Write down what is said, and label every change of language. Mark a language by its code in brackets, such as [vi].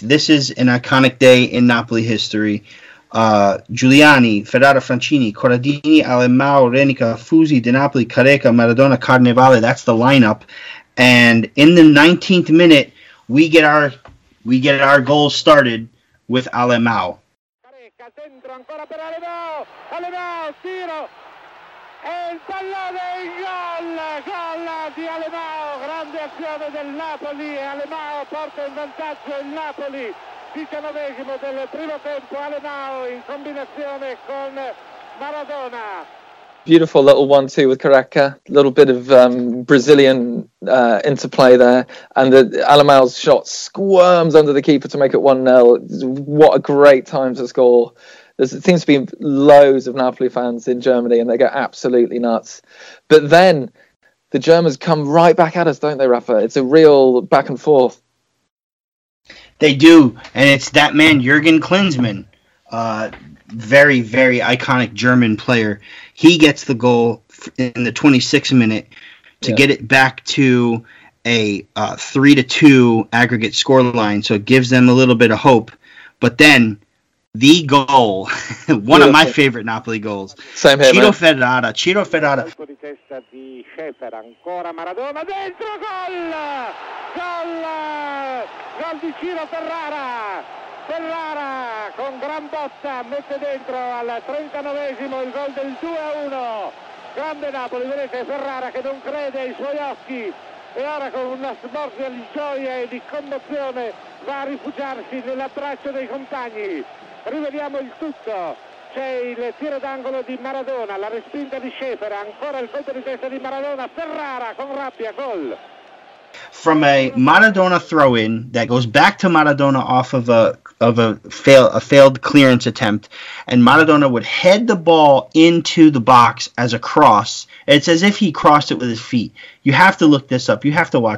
[en] This is an iconic day in Napoli history. Giuliani, Ferrara, Francini, Corradini, Alemão, Reneker, Fusi, Di Napoli, Careca, Maradona, Carnevale. That's the lineup. And in the 19th minute, we get our goal started with Alemão. [it] Careca, centro, ancora per Alemão, tiro. El pallone in gol, gol di Alemão, grande azione del Napoli, Alemão porta in vantaggio il Napoli, 19° del primo tempo, Alemão in combinazione con Maradona. [en] Beautiful little 1-2 with Careca, a little bit of Brazilian interplay there, and the Alemão's shot squirms under the keeper to make it 1-0, what a great time to score. There seems to be loads of Napoli fans in Germany and they go absolutely nuts. But then the Germans come right back at us, don't they, Rafa? It's a real back and forth. They do. And it's that man, Jürgen Klinsmann, very, very iconic German player. He gets the goal in the 26th minute to get it back to a 3-2 aggregate scoreline. So it gives them a little bit of hope. But then the goal, one of my favorite Napoli goals. Same here, Ciro man. Ciro Ferrara. [it] Di testa di Schäfer, ancora Maradona, dentro, gol! Gol! Gol di Ciro Ferrara! Ferrara, con gran botta, mette dentro al 39° il gol del 2-1. Grande Napoli, vedete Ferrara che non crede ai suoi occhi. E ora con una smorfia di gioia e di commozione va a rifugiarsi nell'abbraccio dei compagni. Rivediamo il tutto, c'è il tiro d'angolo di Maradona, la respinta di Schäfer, ancora il colpo di testa di Maradona, Ferrara con rabbia, gol. [en] From a Maradona throw-in that goes back to Maradona off of a failed clearance attempt, and Maradona would head the ball into the box as a cross. It's as if he crossed it with his feet. You have to look this up. You have to watch